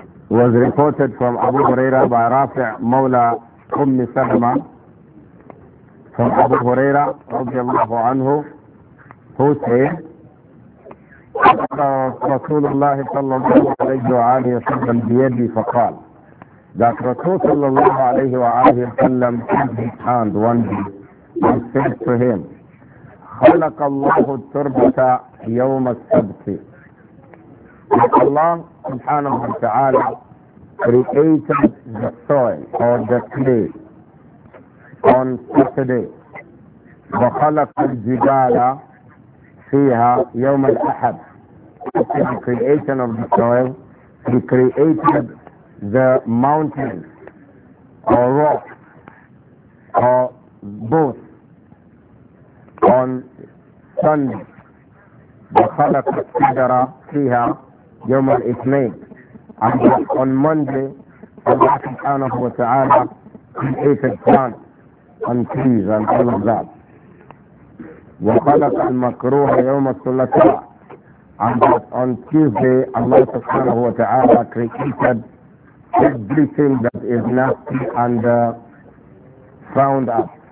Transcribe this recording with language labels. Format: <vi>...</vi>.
<ar>Abu Hurairah by Rafi' Mawla Umm Salama, from Abu Hurairah رضي الله عنه,</ar> <en>who said,</en> <ar>رسول الله صلى الله عليه وآله وسلم بيدي فقال,</ar> <en>that</en> <ar>رسول صلى الله عليه وآله وسلم</ar> <en>took his hand one day and said to him,</en> <ar>خلق الله التربة يوم السبت.</ar> <en>Allah سبحانه وتعالى created the soil or the clay on Saturday.</en> <ar>وخلق الجبال فيها يوم الأحد.</ar> <en>After the creation of the soil, he created the mountains or rocks or both on Sunday.</en> <ar>وخلق الشجر فيها يوم الاثنين.</ar> <en>And on Monday, Allah subhanahu wa ta'ala created plants and trees and all of that.</en> <ar>وَخَلَقَ الْمَكْرُوحَ يَوْمَ الثُلَثَاءَ.</ar> <en>And that on Tuesday, Allah subhanahu wa ta'ala created everything that is nasty and frowned up.</en>